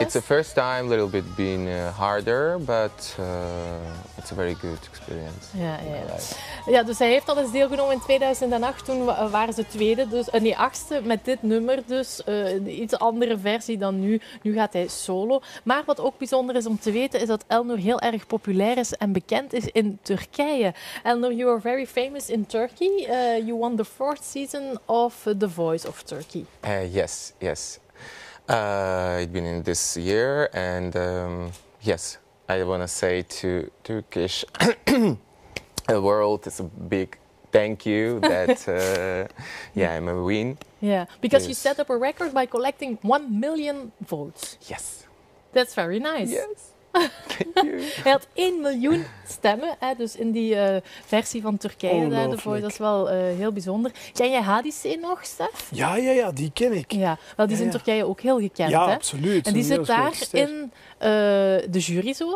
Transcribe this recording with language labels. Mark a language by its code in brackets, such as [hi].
[en] It's the first time, a little bit being harder, but it's a very good experience. [nl] Ja, dus hij heeft al eens deelgenomen in 2008. Toen waren ze tweede, dus nee, achtste met dit nummer. Dus iets andere versie dan nu. Nu gaat hij solo. Maar wat ook bijzonder is om te weten, is dat Elnour heel erg populair is en bekend is in Turkije. [en] Elnour, you are very famous in Turkey. You won the fourth season of The Voice of Turkey. Yes. I've been in this year and yes, I want to say to Turkish... The world is a big thank you that yeah, I'm a win. Yeah, because you set up a record by collecting 1 million votes. Yes. That's very nice. Yes. [nl] Hij had 1 miljoen stemmen, hè, dus in die versie van Turkije, The Voice. Dat is wel heel bijzonder. Ken je Hadise nog, Stef? Ja, die ken ik. Ja, wel, die is in Turkije ook heel gekend. Ja, hè? Absoluut. En die zit daar in de jury zo.